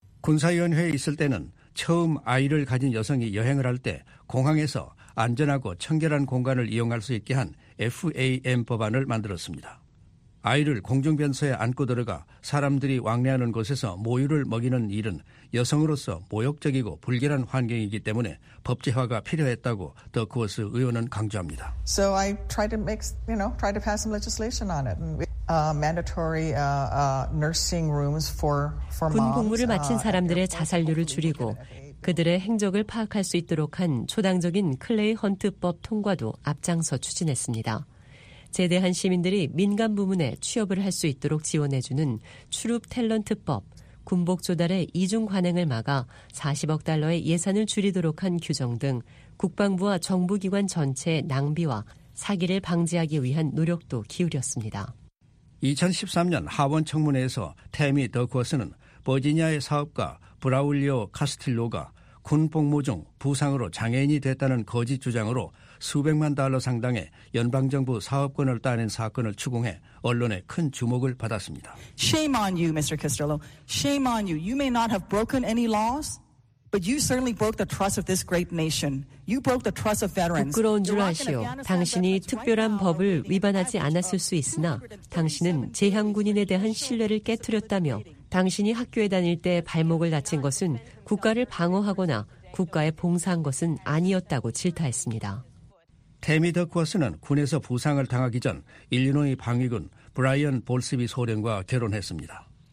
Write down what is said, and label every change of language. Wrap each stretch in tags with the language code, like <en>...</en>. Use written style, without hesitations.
<ko>군사위원회에 있을 때는 처음 아이를 가진 여성이 여행을 할 때 공항에서 안전하고 청결한 공간을 이용할 수 있게 한 FAM 법안을 만들었습니다. 아이를 공중변소에 안고 들어가 사람들이 왕래하는 곳에서 모유를 먹이는 일은 여성으로서 모욕적이고 불길한 환경이기 때문에 법제화가 필요했다고 더크워스 의원은 강조합니다.</ko> <en>So I tried to make, you know, try to pass some legislation on it. Mandatory nursing rooms for moms.</en> <ko>군 복무를 마친 사람들의 자살률을 줄이고 그들의 행적을 파악할 수 있도록 한 초당적인 클레이 헌트법 통과도 앞장서 추진했습니다. 제대한 시민들이 민간 부문에 취업을 할 수 있도록 지원해주는 출입 탤런트법, 군복 조달의 이중 관행을 막아 40억 달러의 예산을 줄이도록 한 규정 등 국방부와 정부기관 전체의 낭비와 사기를 방지하기 위한 노력도 기울였습니다. 2013년 하원 청문회에서 태미 더크워스는 버지니아의 사업가 브라울리오 카스틸로가 군 복무 중 부상으로 장애인이 됐다는 거짓 주장으로 수백만 달러 상당의 연방정부 사업권을 따낸 사건을 추궁해 언론에 큰 주목을 받았습니다.</ko> <en>Shame on you, Mr. Castillo. Shame on you. You may not have broken any laws, but you certainly broke the trust of this great nation. You broke the trust of veterans.</en> <ko>부끄러운 줄 아시오. 당신이 특별한 법을 위반하지 않았을 수 있으나 당신은 재향군인에 대한 신뢰를 깨뜨렸다며 당신이 학교에 다닐 때 발목을 다친 것은 국가를 방어하거나 국가에 봉사한 것은 아니었다고 질타했습니다. 태미 더크워스는 군에서 부상을 당하기 전 일리노이 방위군 브라이언 볼스비 소령과 결혼했습니다.</ko>